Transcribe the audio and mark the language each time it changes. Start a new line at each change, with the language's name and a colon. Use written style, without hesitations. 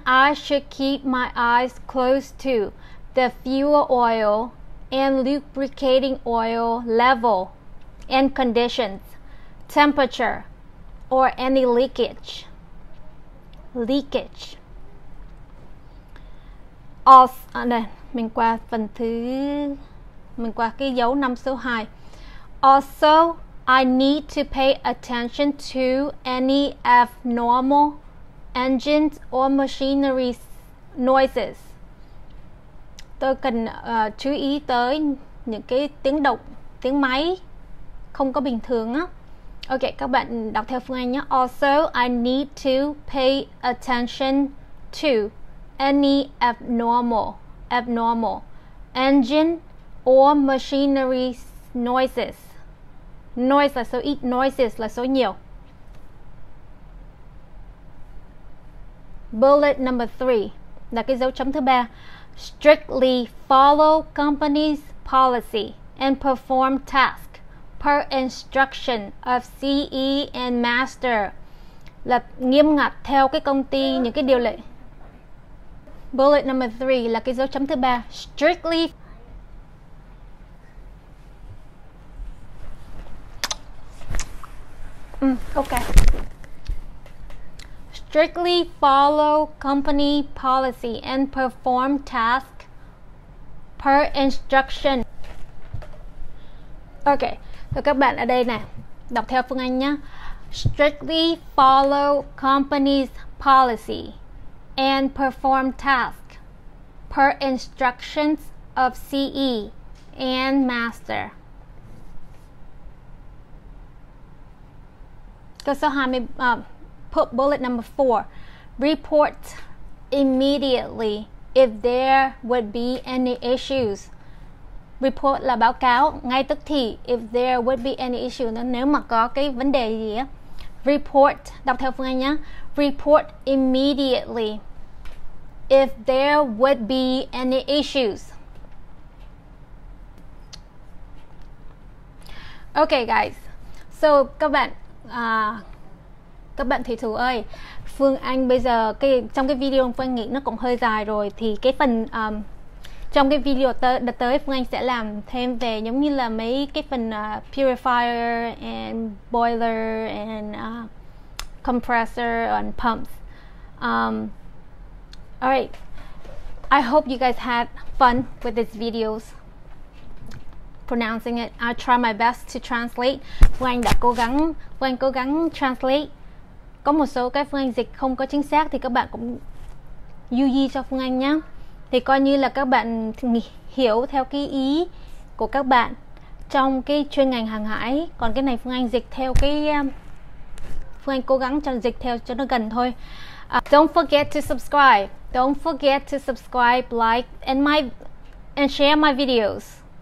English: I should keep my eyes close to the fuel oil and lubricating oil level and conditions, temperature or any leakage. Also,
Vietnamese: đây, mình qua cái dấu năm số 2.
English: Also, I need to pay attention to any abnormal engines or machinery noises.
Vietnamese: Tôi cần chú ý tới những cái tiếng động, tiếng máy không có bình thường á. Ok, các bạn đọc theo Phương Anh nhé.
English: Also, I need to pay attention to any abnormal engine or machinery noises.
Vietnamese: Noise là số ít, noises là số nhiều.
English: Bullet number 3
Vietnamese: là cái dấu chấm thứ 3.
English: Strictly follow company's policy and perform tasks per instruction of CE and master.
Vietnamese: Là nghiêm ngặt theo cái công ty những cái điều lệ.
English: Bullet number 3
Vietnamese: là cái dấu chấm thứ 3.
English: Strictly. Ok. Strictly follow company policy and perform task per instruction. Ok.
Vietnamese: Rồi các bạn ở đây nè, đọc theo Phương Anh nhé.
English: Strictly follow company's policy and perform task per instructions of CE and master.
Vietnamese: Câu số 2,
English: put bullet number 4. Report immediately if there would be any issues.
Vietnamese: Report là báo cáo ngay tức thì.
English: If there would be any issue,
Vietnamese: nếu mà có cái vấn đề gì á. Report, đọc theo Phương Anh nhé.
English: Report immediately if there would be any issues. Ok guys,
Vietnamese: so các bạn thủy thủ ơi, Phương Anh bây giờ trong cái video Phương Anh nghĩ nó cũng hơi dài rồi. Thì cái phần trong cái video đợt tới Phương Anh sẽ làm thêm về giống như là mấy cái phần purifier and boiler and compressor and pumps.
English: Alright, I hope you guys had fun with these videos pronouncing it. I try my best to translate.
Vietnamese: Phương Anh cố gắng translate. Có một số cái Phương Anh dịch không có chính xác thì các bạn cũng du di cho Phương Anh nhé. Thì coi như là các bạn hiểu theo cái ý của các bạn trong cái chuyên ngành hàng hải. Còn cái này Phương Anh dịch theo cái... Phương Anh cố gắng cho dịch theo cho nó gần thôi.
English: Don't forget to subscribe. Don't forget to subscribe, like, and share my videos.